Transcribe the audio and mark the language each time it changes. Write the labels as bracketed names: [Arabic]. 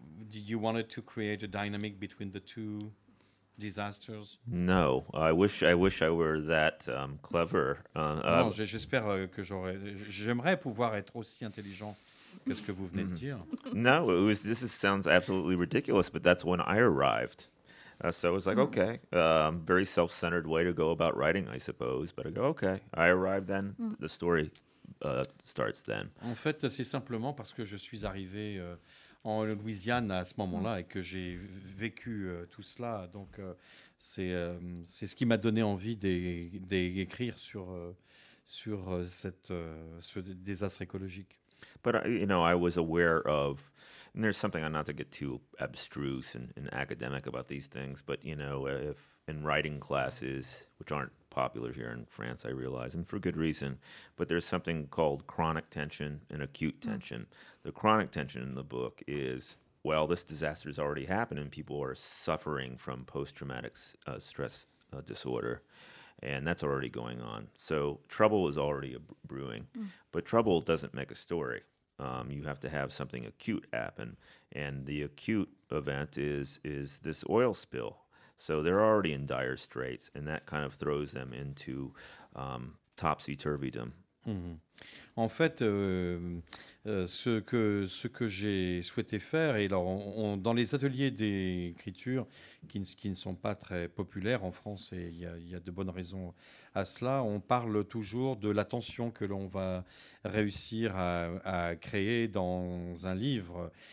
[English] Did you want to create a dynamic between the two disasters? No, I wish I were that clever. [French] Non, j'espère que j'aimerais pouvoir être aussi intelligent que ce que vous venez de dire. [English] No, this sounds absolutely ridiculous, but that's when I arrived. So I was like, okay, very self-centered way to go about writing, I suppose. But I go, okay, I arrived then, the story starts then. [French] En fait, c'est simplement parce que je suis arrivé en Louisiane à ce moment-là et que j'ai vécu tout cela. Donc, c'est ce qui m'a donné envie d'écrire sur ce désastre écologique. [English] But I was aware of, and there's something, not to get too abstruse and academic about these things, but if in writing classes, which aren't popular here in France, I realize, and for good reason, but there's something called chronic tension and acute tension. The chronic tension in the book is, well, this disaster has already happened and people are suffering from post-traumatic stress disorder, and that's already going on. So trouble is already brewing, but trouble doesn't make a story. You have to have something acute happen, and the acute event is this oil spill. So they're already in dire straits, and that kind of throws them into topsy-turvydom. Mm-hmm. [French] En fait, ce que j'ai souhaité faire, et alors dans les ateliers d'écriture qui ne sont pas très populaires en France, et il y a de bonnes raisons à cela, on parle toujours de la tension que l'on va réussir à créer dans un livre.